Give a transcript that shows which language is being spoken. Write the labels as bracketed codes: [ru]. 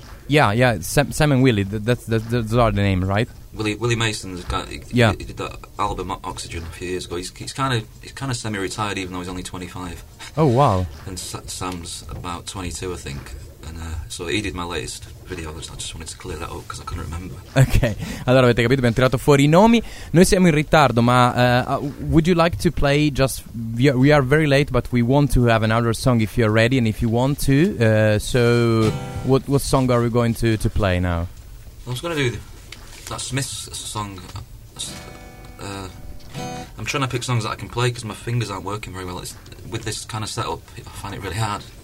[en] Yeah, yeah, Sam and Willie, those are the name, right? Willie Mason's got, he did that album Oxygen a few years ago. He's kind of semi-retired, even though he's only 25. Oh, wow. And Sam's about 22, I think. And so he did my latest video, I just wanted to clear that up because I couldn't remember. [it] Okay, allora avete capito, abbiamo tirato fuori i nomi. Noi siamo in ritardo, ma [en] would you like to play just... We are very late, but we want to have another song if you're ready and if you want to. So what song are we going to play now? I was going to do that Smith's song. I'm trying to pick songs that I can play because my fingers aren't working very well. It's, with this kind of setup, I find it really hard.